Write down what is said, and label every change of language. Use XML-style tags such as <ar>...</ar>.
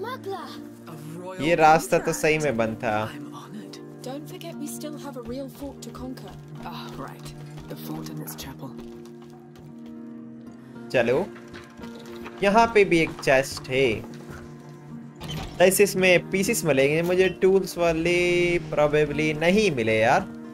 <hi>ये रास्ता तो सही में बंद था।</hi> <en>Don't forget we still have a real fort to conquer. Ah, right. The fort and its chapel.</en> <hi>चलो, यहाँ पे भी एक चेस्ट है। ऐसे इसमें पीसेस मिलेंगे मुझे, टूल्स वाले probably नहीं मिले यार।</hi>